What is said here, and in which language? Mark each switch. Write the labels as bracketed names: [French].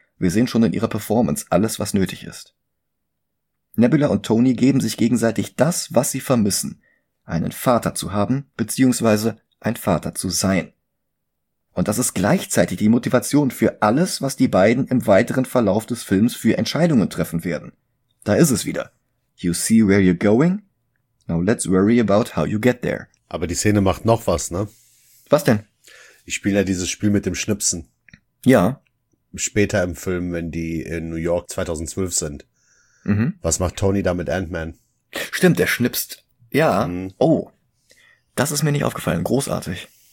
[German] Wir sehen schon in ihrer Performance alles, was nötig ist. Nebula und Tony geben sich gegenseitig das, was sie vermissen. Einen Vater zu haben, beziehungsweise ein Vater zu sein. Und das ist gleichzeitig die Motivation für alles, was die beiden im weiteren Verlauf des Films für Entscheidungen treffen werden. Da ist es wieder. [English] You see where you're going? Now let's worry about how you get there. [German] Aber die Szene macht noch was, ne? Was denn? Ich spiele ja dieses Spiel mit dem Schnipsen. Ja. Später im Film, wenn die in New York 2012 sind. Mhm. Was macht Tony da mit Ant-Man? Stimmt, der schnipst. Ja. Mhm. Oh, das ist mir nicht aufgefallen. Großartig.